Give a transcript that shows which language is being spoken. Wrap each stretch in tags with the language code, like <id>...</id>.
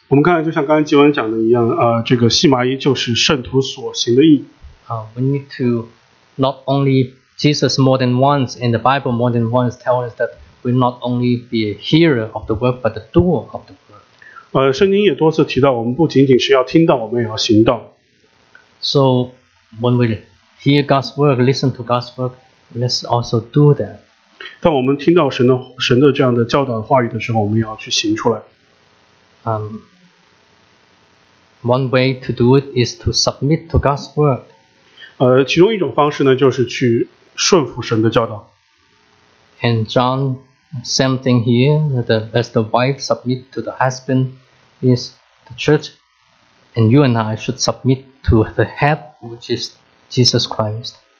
<zh>我们刚才就像刚才吉文讲的一样, 这个细麻衣就是圣徒所行的义。</zh> <en>We need to not only Jesus more than once in the Bible more than once tell us that we not only be a hearer of the word but the doer of the word.</en> <zh>圣经也多次提到我们不仅仅是要听到我们也要行道。</zh> <en>So when we hear God's word, listen to God's word, let's also do that.</en> <zh>当我们听到神的这样的教导话语的时候，我们也要去行出来。</zh> <en>One way to do it is to submit to God's word.</en> <zh>其中一种方式呢，就是去顺服神的教导。</zh> <en>And John, same thing here, that as the wife submit to the husband, is the church, and you and I should submit to the head, which is Jesus Christ.</en>